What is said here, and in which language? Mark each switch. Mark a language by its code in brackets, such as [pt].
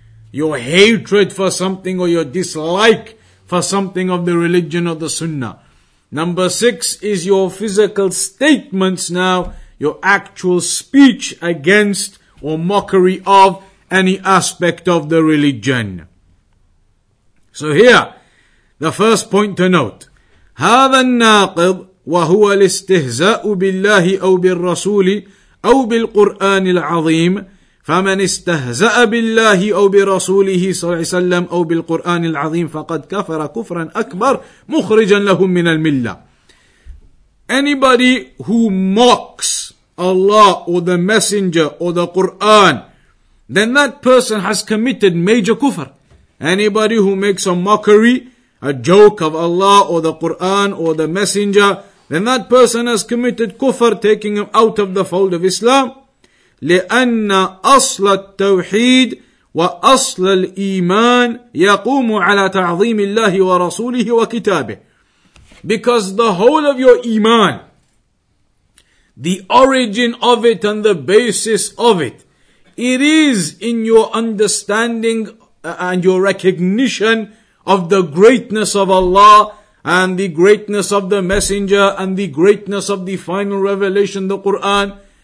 [en] Your hatred for something or your dislike for something of the religion or the sunnah. Number six is your physical statements now, your actual speech against or mockery of any aspect of the religion. So here, the first point to note. [ar] هذا الناقض وهو الاستهزاء بالله أو بالرسول أو بالقرآن العظيم فمن استهزأ بالله أو برسوله صلى الله عليه وسلم أو بالقرآن العظيم فقد كفر كفرا أكبر مخرجا لهم من الملة. [en] Anybody who mocks Allah or the Messenger or the Quran, then that person has committed major kufr. Anybody who makes a mockery, a joke of Allah or the Quran or the Messenger, then that person has committed kufr, taking him out of the fold of Islam. [ar] لأن أصل التوحيد وأصل الإيمان يقوم على تعظيم الله ورسوله وكتابه. [en] Because the whole of your iman, the origin of it and the basis of it is in your understanding and your recognition of the greatness of Allah and the greatness of the Messenger and the greatness of the final revelation, the Quran.